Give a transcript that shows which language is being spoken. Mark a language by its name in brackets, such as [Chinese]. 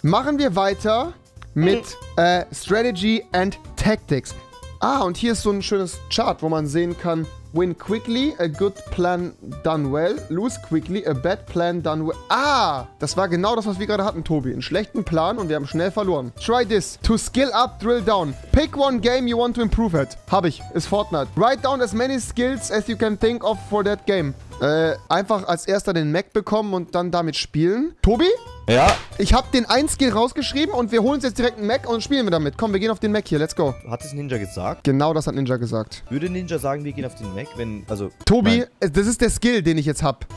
[German] Machen wir weiter mit [English] Strategy and Tactics. [German] Ah, und hier ist so ein schönes Chart, wo man sehen kann, [English] win quickly, a good plan done well, [German] lose quickly, a bad plan done well. Ah, das war genau das, was wir gerade hatten, Tobi. Einen schlechten Plan und wir haben schnell verloren. [English] Try this. To skill up, drill down. Pick one game you want to improve at. [German] Hab ich. Ist Fortnite. [English] Write down as many skills as you can think of for that game. [German] Einfach als erster den Mech bekommen und dann damit spielen. Tobi? Ja? Ich habe den einen Skill rausgeschrieben und wir holen uns jetzt direkt einen Mech und spielen wir damit. Komm, wir gehen auf den Mech hier. [English] Let's go. [German] Hat es Ninja gesagt? Genau das hat Ninja gesagt. Würde Ninja sagen, wir gehen auf den Mech, wenn... Also, Tobi, nein. Das ist der Skill, den ich jetzt hab.